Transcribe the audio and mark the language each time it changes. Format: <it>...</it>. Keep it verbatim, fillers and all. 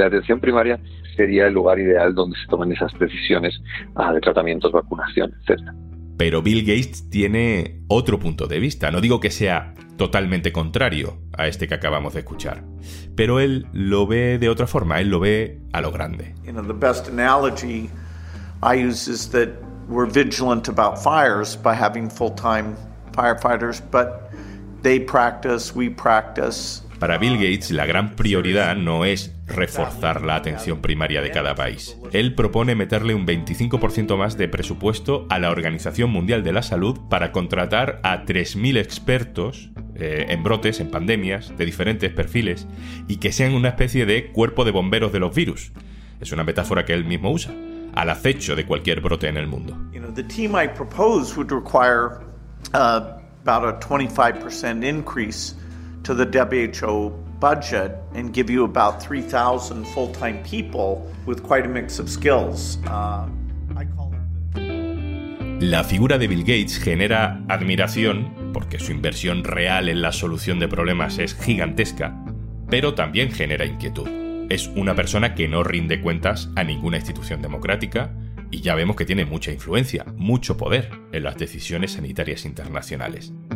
<es>Y la atención primaria sería el lugar ideal donde se tomen esas decisiones de tratamientos, vacunación, etcétera. Pero Bill Gates tiene otro punto de vista. No digo que sea totalmente contrario a este que acabamos de escuchar, pero él lo ve de otra forma. Él lo ve a lo grande.</es> <en>You know, the best analogy I use is that we're vigilant about fires by having full-time firefighters, but they practice, we practice.</en> <es>Para Bill Gates, la gran prioridad no es reforzar la atención primaria de cada país. Él propone meterle un veinticinco por ciento más de presupuesto a la Organización Mundial de la Salud para contratar a tres mil expertos eh, en brotes, en pandemias, de diferentes perfiles, y que sean una especie de cuerpo de bomberos de los virus. Es una metáfora que él mismo usa, al acecho de cualquier brote en el mundo.</es> <en>You know, the team I propose would require uh, about a twenty-five percent increase to the W H O budget and give you about three thousand full-time people with quite a mix of skills. Uh, I call it the...</en> <es>La figura de Bill Gates genera admiración porque su inversión real en la solución de problemas es gigantesca, pero también genera inquietud. Es una persona que no rinde cuentas a ninguna institución democrática y ya vemos que tiene mucha influencia, mucho poder en las decisiones sanitarias internacionales.</es>